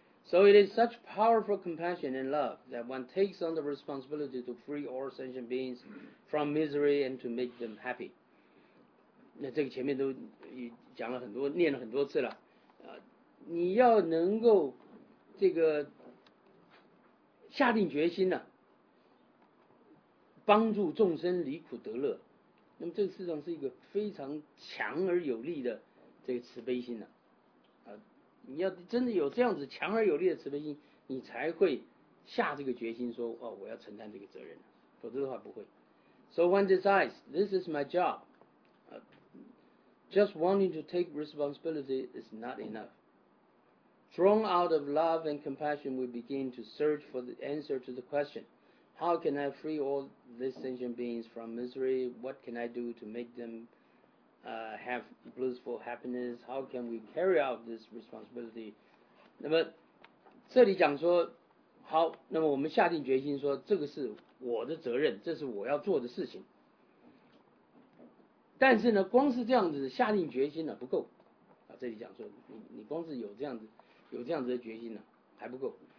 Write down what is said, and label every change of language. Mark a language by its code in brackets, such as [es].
[en] So it is such powerful compassion and love that one takes on the responsibility to free all sentient beings from misery and to make them happy. [zh] 那这个前面都讲了很多，念了很多次了你要能够这个下定决心啊帮助众生离苦得乐，那么这个事实上是一个非常强而有力的这个慈悲心啊，你要真的有这样子强而有力的慈悲心，你才会下这个决心说，哦，我要承担这个责任。否则的话不会。 [en] So one decides, this is my job. Just wanting to take responsibility is not enough. Drawn out of love and compassion, we begin to search for the answer to the question, how can I free all these sentient beings from misery? What can I do to make them have blissful happiness? How can we carry out this responsibility? [zh] 那么这里讲说，好，那么我们下定决心说，这个是我的责任，这是我要做的事情。但是呢，光是这样子下定决心呢不够啊。这里讲说，你光是有这样子的决心呢还不够。